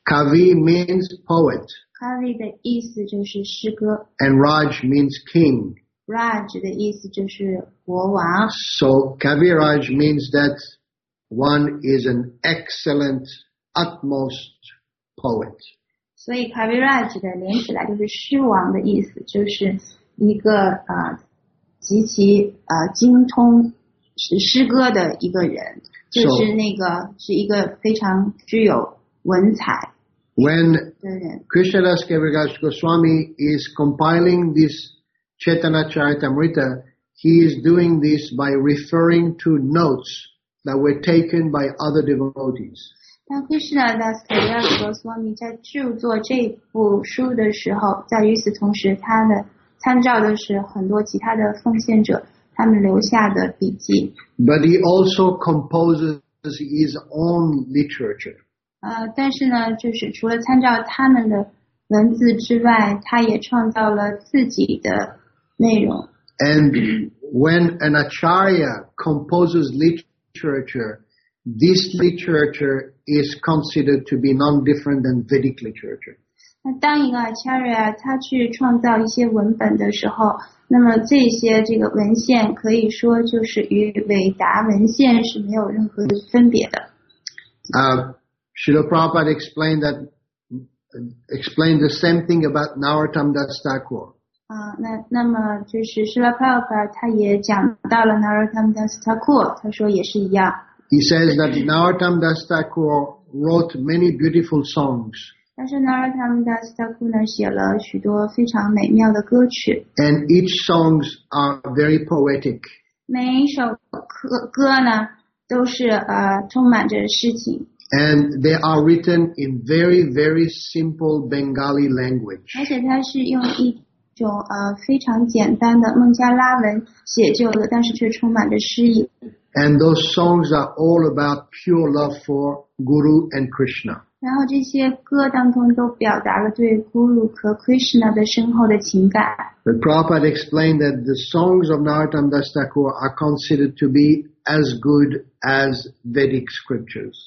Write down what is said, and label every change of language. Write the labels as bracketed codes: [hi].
[en] Kavi means poet. [zh] Kavi 的意思就是诗歌。 [en] And Raj means king. [zh] Raj 的意思就是国王。 [en] So Kaviraj means that one is an excellent, utmost poet. [zh] 所以 Kaviraj 的连起来就是诗王的意思，就是一个极其精通诗歌的一个人，就是那个是一个非常具有文采的人。 [en] When Krishnadas Kaviraj Goswami is compiling this Chaitanya Charitamrita, he is doing this by referring to notes that were taken by other devotees. [zh] 那 Krishna Das Kaviraj Goswami 在著作这部书的时候，在与此同时，他的参照的是很多其他的奉献者他们留下的笔记。 [en] But he also composes his own literature. [zh] 但是呢，就是除了参照他们的文字之外，他也创造了自己的内容。 [en] And when an acharya composes literature,This literature is considered to be none different than Vedic literature. [zh] 那当一个 Acharya 他去创造一些文本的时候，那么这些这个文献可以说就是与韦达文献是没有任何分别的。 [en] Srila Prabhupada explained the same thing about Narottam Das Thakur. [zh] 那么就是 Srila Prabhupada 他也讲到了 Narottam Das Thakur， 他说也是一样。 [en] He says that Narottam Das Thakur wrote many beautiful songs. [zh] 但是 Narottam Das Thakur 呢写了许多非常美妙的歌曲。 [en] And each songs are very poetic. [zh] 每一首歌呢都是充满着诗情。 [en] And they are written in very, very simple Bengali language. [zh] 而且它是用一种非常简单的孟加拉文写就的，但是却充满着诗意。 [en] And those songs are all about pure love for Guru and Krishna. [zh] 然后这些歌当中都表达了对 Guru 和 Krishna 的深厚的情感。 [en] The Prabhupada explained that the songs of Narottam Das Thakur are considered to be as good as Vedic scriptures.